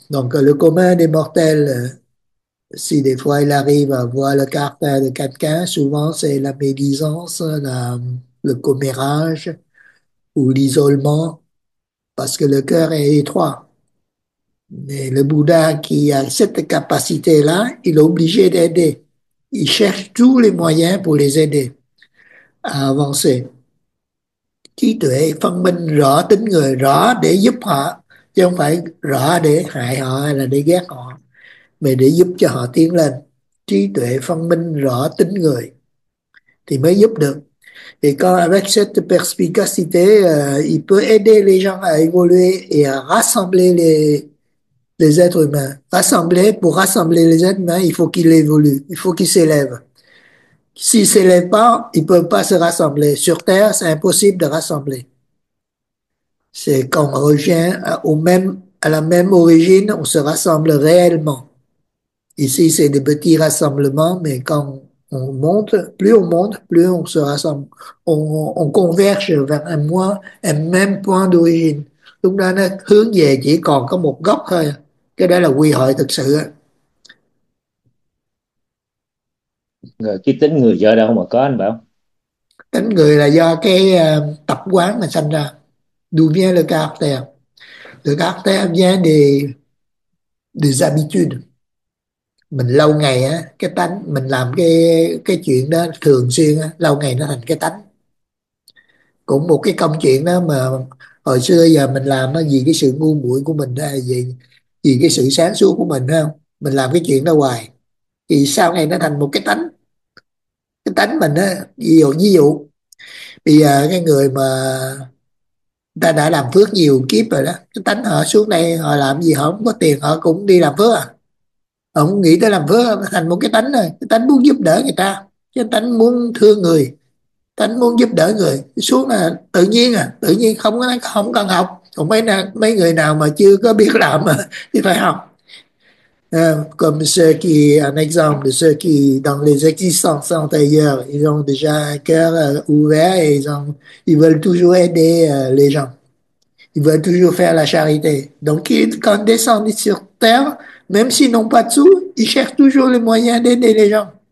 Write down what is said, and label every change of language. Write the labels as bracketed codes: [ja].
[fr] Donc le commun des mortels, si des fois il arrive à voir le caractère de quelqu'un, souvent c'est la médisance, le commérage ou l'isolement, parce que le cœur est étroit. Mais le Bouddha qui a cette capacité-là, il est obligé d'aider. Il cherche tous les moyens pour les aider à avancer. [vi] Trí tuệ phân minh rõ tính người, rõ để giúp họ, chứ không phải rõ để hại họ hay là để ghét họ, mà để giúp cho họ tiến lên. Trí tuệ phân minh rõ tính người thì mới giúp được. [fr] Et quand, avec cette perspicacité, il peut aider les gens à évoluer et à rassembler les êtres humains. Rassembler, pour rassembler les êtres humains, il faut qu'ils évoluent, il faut qu'ils s'élèvent. S'ils ne s'élèvent pas, ils ne peuvent pas se rassembler. Sur Terre, c'est impossible de rassembler. C'est quand on revient à la même origine, on se rassemble réellement. Ici, c'est des petits rassemblements, mais quand on monte, plus on monte, plus on se rassemble. On converge vers un même point d'origine. [vi] Lúc đó nó hướng về chỉ còn có một góc thôi. Cái đó là quy hội thực sự. Cái tính người do đâu mà có anh bảo Tính người là do cái tập quán mà sanh ra. [fr] D'où vient le caractère? Le caractère vient des habitudes. [vi] Mình lâu ngày á, cái tánh mình làm cái chuyện đó thường xuyên á, lâu ngày nó thành cái tánh. Cũng một cái công chuyện đó mà hồi xưa giờ mình làm nó vì cái sự ngu muội của mình đó, vì cái sự sáng suốt của mình không, mình làm cái chuyện đó hoài thì sau này nó thành một cái tánh mình đó. Ví dụ bây giờ cái người mà ta đã làm phước nhiều kiếp rồi đó, cái tánh họ xuống đây họ làm gì, họ không có tiền họ cũng đi làm phước à, họ cũng nghĩ tới làm phước, thành một cái tánh rồi, cái tánh muốn giúp đỡ người ta, cái tánh muốn thương người, tánh muốn giúp đỡ người, xuống là tự nhiên à, tự nhiên không có, không cần học. Còn mấy người nào mà chưa có biết làm mà thì phải học. [fr] Comme ceux qui, un exemple de ceux qui, dans les existences antérieures, ils ont déjà un cœur ouvert et ils veulent toujours aider les gens. Ils veulent toujours faire la charité. Donc, quand ils descendent sur Terre, même s'ils n'ont pas de sous, ils cherchent toujours les moyens d'aider les gens.